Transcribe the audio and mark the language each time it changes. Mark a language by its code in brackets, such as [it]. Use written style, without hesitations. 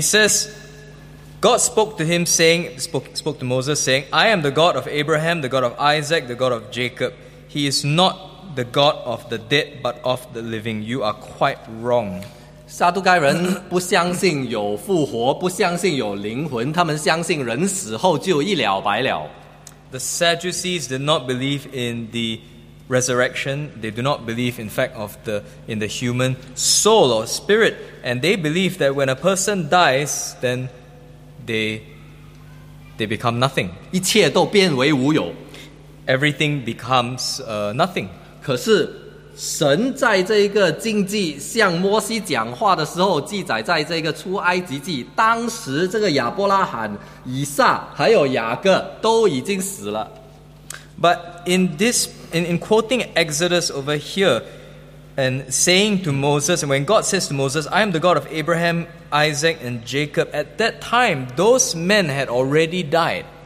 [en] says, God spoke to him, saying, spoke to Moses, saying, I am the God of Abraham, the God of Isaac, the God of Jacob. He is not the God of the dead, but of the living. You are quite wrong. [zh] 撒都该人不相信有复活，不相信有灵魂，他们相信人死后就一了百了。 [en] The Sadducees did not believe in the resurrection. They do not believe, in fact, of the in the human soul or spirit. And they believe that when a person dies, then they become nothing. [zh] 一切都变为无有。 [en] Everything becomes nothing. [zh] 可是 神在这个禁忌向摩西讲话的时候，记载在这个出埃及记，当时这个亚伯拉罕、以撒还有雅各都已经死了。 [en] But in quoting Exodus over here and saying to Moses, and when God says to Moses, I am the God of Abraham, Isaac, and Jacob, at that time, those men had already died.